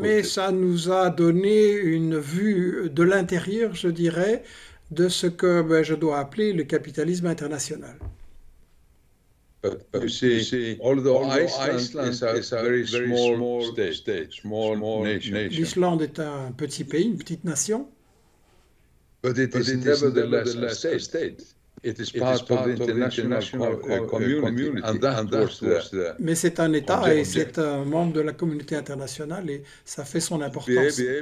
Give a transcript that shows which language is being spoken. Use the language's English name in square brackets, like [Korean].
[French] Mais ça nous a donné une vue de l'intérieur, je dirais, de ce que ben, je dois appeler le capitalisme international. [English] But you see, although Iceland is a very small state, small nation. [French] L'Islande est un petit pays, une petite nation. [English] But it is nevertheless a state. It is part of the international community. [French] Mais c'est un État et c'est un membre de la communauté internationale et ça fait son importance.